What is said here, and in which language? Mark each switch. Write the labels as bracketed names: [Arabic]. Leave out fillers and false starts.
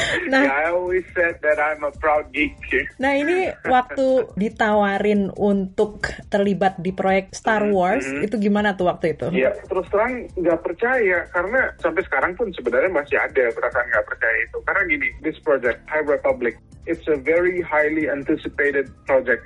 [English] Nah, yeah, I always said that I'm a proud geek. [Indonesian] Nah, ini waktu ditawarin untuk terlibat di proyek Star Wars, itu gimana tuh waktu itu? Iya, terus terang nggak percaya, karena sampai sekarang pun sebenarnya masih ada perasaan nggak percaya itu. Karena gini, [English] this project, High Republic, it's a very highly anticipated project.